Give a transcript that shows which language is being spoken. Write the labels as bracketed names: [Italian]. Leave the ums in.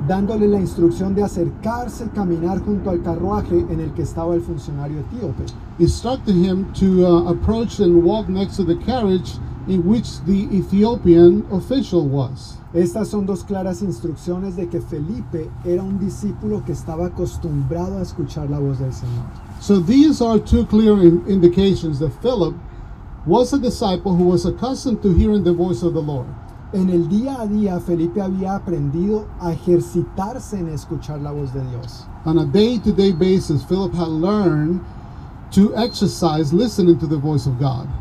[Spanish] Dándole la instrucción de acercarse, caminar junto al carruaje en el que estaba el funcionario etíope. [English] He instructed him to uh, approach and walk next to the carriage in which the Ethiopian official was. [Spanish] Estas son dos claras instrucciones de que Felipe era un discípulo que estaba acostumbrado a escuchar la voz del Señor. [English] So these are two clear in indications that Philip was a disciple who was accustomed to hearing the voice of the Lord. [Spanish] En el día a día Felipe había aprendido a ejercitarse en escuchar la voz de Dios. [English] On a day to -day basis Philip had learned to exercise listening to the voice of God.